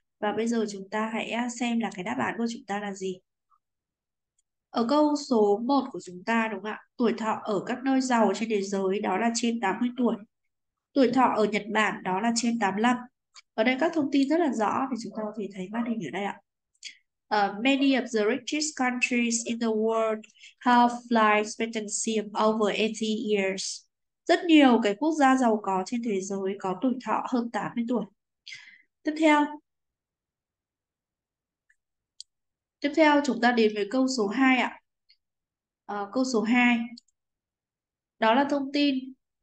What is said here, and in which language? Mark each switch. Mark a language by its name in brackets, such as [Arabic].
[Vietnamese] Và bây giờ chúng ta hãy xem là cái đáp án của chúng ta là gì. Ở câu số 1 của chúng ta, đúng không ạ? Tuổi thọ ở các nơi giàu trên thế giới đó là trên 80 tuổi. Tuổi thọ ở Nhật Bản đó là trên 85. Ở đây các thông tin rất là rõ thì chúng ta có thể thấy màn hình ở đây ạ. [English] Many of the richest countries in the world have life expectancy of over 80 years. [Vietnamese] Rất nhiều cái quốc gia giàu có trên thế giới có tuổi thọ hơn 80 tuổi. Tiếp theo chúng ta đến với câu số 2 ạ. Câu số 2. Đó là thông tin.